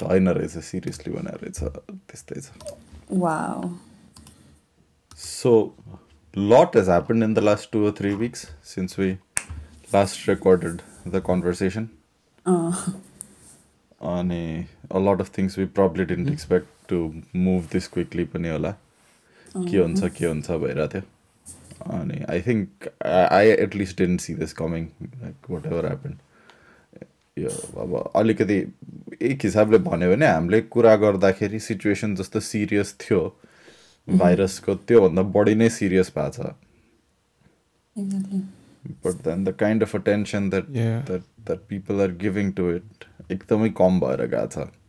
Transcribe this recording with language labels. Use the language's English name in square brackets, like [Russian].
[Nepali] होइन रहेछ, सिरियसली भनेर रहेछ, त्यस्तै छ. Wow. [English] So, lot has happened in the last 2 or 3 weeks since we last recorded the conversation. And a lot of things we probably didn't expect to move this quickly. [Nepali] Pani hola. Ki huncha, ki huncha bhayera thyo. [English] And I think I at least didn't see this coming, like whatever happened. [Nepali] यो अब अलिकति एक हिसाबले भन्यो भने हामीले कुरा गर्दाखेरि सिचुएसन जस्तो सिरियस थियो भाइरसको, त्योभन्दा बढी नै सिरियस भएको छ. [English] But then the kind of attention that people are giving to it एकदमै कम भएर गएको छ.